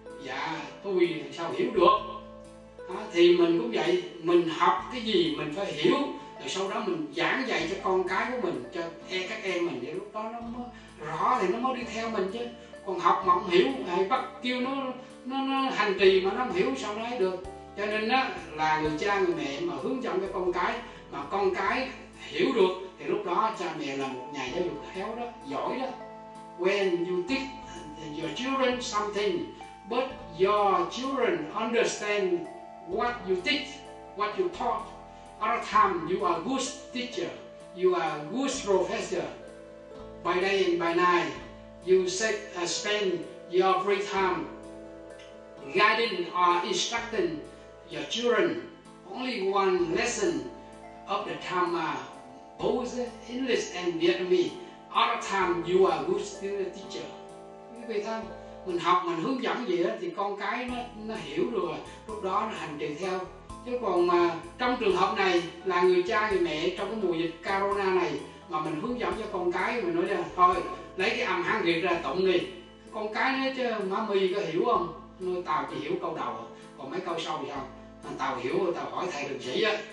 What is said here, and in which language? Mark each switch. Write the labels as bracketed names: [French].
[Vietnamese] Dạ, tôi sao hiểu được. Thì mình cũng vậy, mình học cái gì mình phải hiểu, rồi sau đó mình giảng dạy cho con cái của mình, cho các em mình, để lúc đó nó mới rõ thì nó mới đi theo mình chứ. Còn học mà không hiểu hay bắt kêu nó hành trì mà nó không hiểu sao nói được. Cho nên đó là người cha người mẹ mà hướng dẫn cho con cái, mà con cái hiểu được thì lúc đó cha mẹ là một nhà giáo dục khéo đó, giỏi đó. [English] When you teach your children something, but your children understand what you teach, what you taught, other time you are a good teacher, you are a good professor. By day and by night, you spend your free time guiding or instructing your children. Only one lesson of the time are both English and Vietnamese. Other time you are a good teacher. [Vietnamese] Quý vị thân, mình học mình hướng dẫn gì đó thì con cái nó hiểu rồi, lúc đó nó hành trì theo. Chứ còn mà trong trường hợp này là người cha người mẹ trong cái mùa dịch corona này mà mình hướng dẫn cho con cái, mình nói là thôi lấy cái âm Hán Việt ra tụng đi, con cái nói chứ má mi có hiểu không, nuôi tao chỉ hiểu câu đầu còn mấy câu sau thì không, mà tao hiểu tao hỏi thầy đường sĩ á.